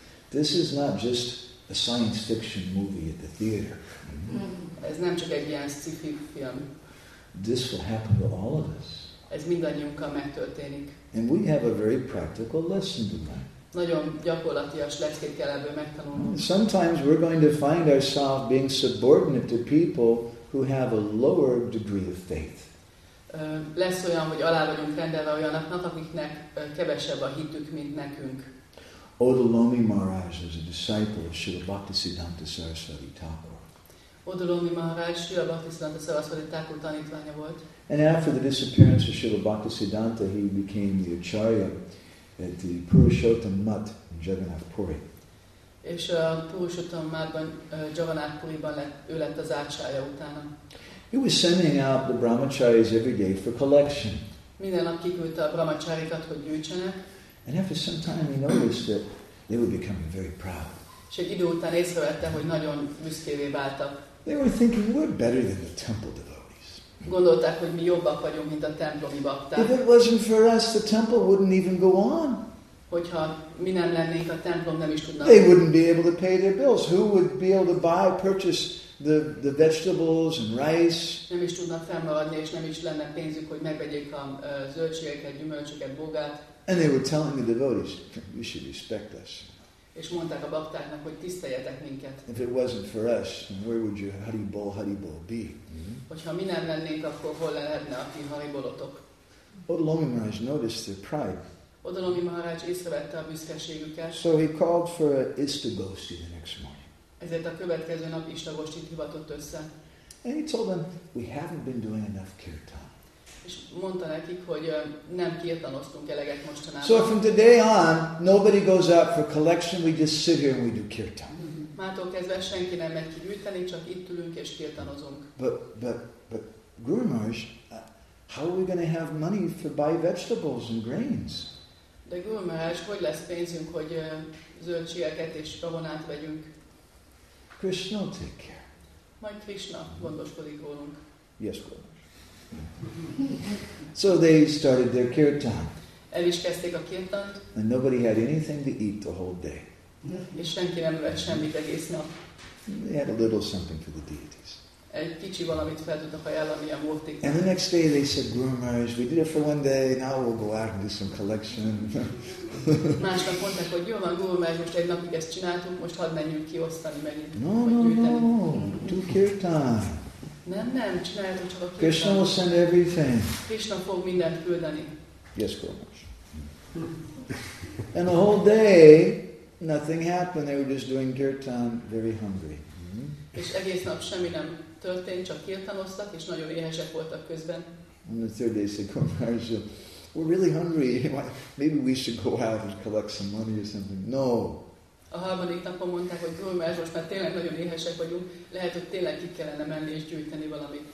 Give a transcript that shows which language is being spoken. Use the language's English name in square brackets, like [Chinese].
[English] This is not just a science fiction movie at the theater. [Hungarian] Ez nem csak egy ilyen sci-fi film. [English] This will happen to all of us. [Hungarian] Ez mindannyiunkkal megtörténik. [English] And we have a very practical lesson to learn. [Hungarian] Nagyon gyakorlatias leckét kell ebből megtanulnunk. [English] Sometimes we're going to find ourselves being subordinate to people who have a lower degree of faith. [Hungarian] Lesz olyan, hogy alá vagyunk rendelve olyanoknak, akiknek kevesebb a hitük, mint nekünk. [English] Odalomi Maharaj was a disciple of Srila Bhaktisiddhanta Saraswati Thakur. [Hungarian] Odalomi Maharaj Srila Bhaktisiddhanta Saraswati Thakur tanítványa volt. [English] And after the disappearance of Srila Bhaktisiddhanta, he became the acharya at the Purushottam Math in Jagannath Puri. [Hungarian] És a Purushottam Mathban, Jagannath Puriban ő lett az acharya utána. [English] He was sending out the brahmacharis every day for collection. [Hungarian] Minden nap kiküldte a brahmacharikat, hogy gyűjtsenek. [English] And after some time, he noticed that they were becoming very proud. [Hungarian] És egy idő után észrevette, hogy nagyon büszkévé váltak. [English] They were thinking we're better than the temple devotees. [Hungarian] Gondolták, hogy mi jobbak vagyunk, mint a templomi bakták. [English] If it wasn't for us, the temple wouldn't even go on. [Hungarian] Hogyha mi nem lennénk, a templom nem is tudna. [English] They wouldn't be able to pay their bills. Who would be able to buy, purchase the vegetables and rice? [Hungarian] Nem is tudnak fennmaradni, és nem is lenne pénzük, hogy megvegyék a zöldségeket, gyümölcsöket, bogát. [English] And they were telling the devotees, you should respect us. [Hungarian] És mondták a baktáknak, hogy tiszteljetek minket. [English] If it wasn't for us, where would your haribol be? [Hungarian] Hogyha mi nem lennénk, akkor hol lehetne a ti haribolotok? [English] Odalomi Maharaj noticed their pride. [Hungarian] Odalomi Maharaj észrevette a büszkeségüket. [English] So he called for an istagosti the next morning. [Hungarian] Ezért a következő nap istagostit hivatott össze. [English] And he told them, we haven't been doing enough kirtan. [Hungarian] És mondta nekik, hogy nem kirtanoztunk eleget mostanában. [English] So from today on, nobody goes out for collection, we just sit here and we do kirtan. [Hungarian] Mától kezdve senki nem megy kigyűjteni, csak itt ülünk és kirtanozunk. [English] But Guru Maharaj, how are we going to have money for buy vegetables and grains? [Hungarian] De Guru Maharaj, hogy lesz pénzünk, hogy zöldségeket és gabonát vegyünk? [English] Krishna will take care. [Hungarian] Majd Krishna gondoskodik rólunk. [English] Yes, Guru. So they started their kirtan. [Hungarian] El is kezdték a kirtant. [English] And nobody had anything to eat the whole day. [Hungarian] És senki nem evett semmit egész nap. [English] They had a little something for the deities. [Hungarian] Egy kicsi valamit fel tudtak ajánlani a múltiknak. [English] And the next day they said, Guru Maharaj, we did it for one day, now we'll go out and do some collection. [Hungarian] Másnap mondták, hogy jó van, Guru Maharaj, most egy napig ezt csináltunk, most hadd menjünk kiosztani megint. [English] No, do kirtan. [Hungarian] Nem, csináljuk csak a [English] kirtan. Krishna will send everything. [Hungarian] Krishna fog mindent küldeni. [English] Yes, Guru Maharaj. And the whole day, nothing happened. They were just doing kirtan, very hungry. [Hungarian] És egész nap semmi nem történt, csak kirtanoztak, és nagyon éhesek voltak közben. [English] And the third day, said Guru Maharaj, we're really hungry. Maybe we should go out and collect some money or something. No. [Hungarian] A harmadik napon mondták, hogy Guru Maharaj, most már tényleg nagyon éhesek vagyunk, lehet, hogy tényleg ki kellene menni és gyűjteni valamit.